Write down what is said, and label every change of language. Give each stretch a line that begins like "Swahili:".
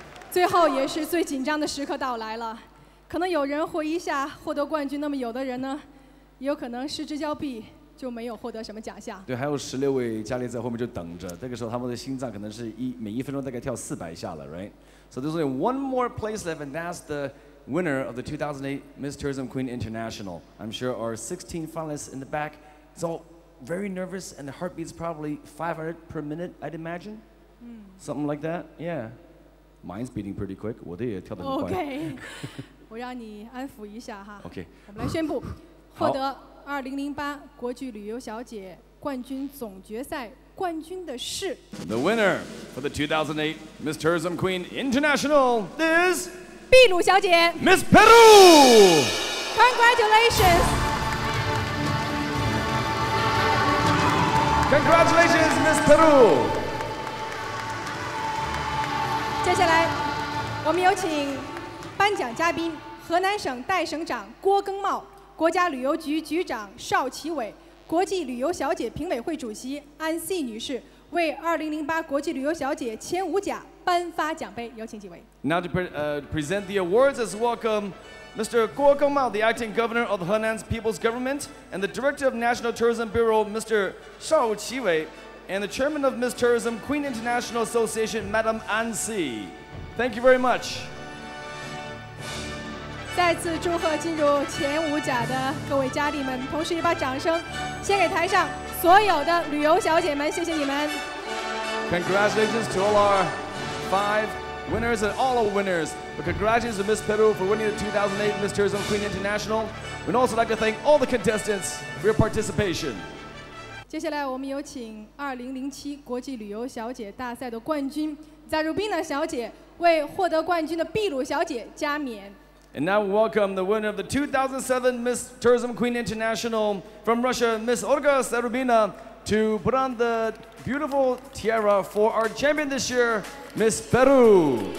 Chinese: 最后也是最紧张的时刻到来了，可能有人会一下获得冠军，那么有的人呢，也有可能失之交臂，就没有获得什么奖项。对，还有十六位佳丽在后面就等着，这个时候他们的心脏可能是每一分钟大概跳四百下了 ，
English: right? So there's only one more place left, and that's the winner of the 2008 Miss Tourism Queen International. I'm sure our 16 finalists in the back, it's all very nervous, and the heartbeat's probably 500 per minute, I'd imagine, something like that, yeah. Mine's beating pretty quick.
Chinese: 我的也跳得很快。
English: Okay,
Chinese: 我让你安抚一下哈。 Okay. 我们来宣布，获得2008国际旅游小姐冠军总决赛冠军的是。
English: The winner for the 2008 Miss Tourism Queen International is
Chinese: 秘鲁小姐。
English: Miss Peru. Congratulations. Congratulations, Miss Peru.
Chinese: 接下来我们有请颁奖嘉宾河南省代省长郭耕茂国家旅游局局长邵奇伟国际旅游小姐评委会主席安细女士为2008国际旅游小姐前五甲颁发奖杯有请几位
English: Now to present the awards let's welcome Mr. Guo Gengmao the acting governor of Henan People's Government and the director of National Tourism Bureau Mr.
Chinese: 邵奇伟
English: And the chairman of Miss Tourism Queen International Association, Madam An Si. Thank you very much.
Chinese: 再次祝贺进入前五甲的各位佳丽们，同时也把掌声献给台上所有的旅游小姐们，谢谢你们。
English: Congratulations to all our five winners and all our winners. But congratulations to Miss Peru for winning the 2008 Miss Tourism Queen International. We'd also like to thank all the contestants for your participation.
Chinese: 接下来我们有请2007国际旅游小姐大赛的冠军 Zarubina 小姐为获得冠军的秘鲁小姐加冕
English: And now we welcome the winner of the 2007 Miss Tourism Queen International from Russia, Miss Olga Sarubina, to put on the beautiful tiara for our champion this year, Miss Peru.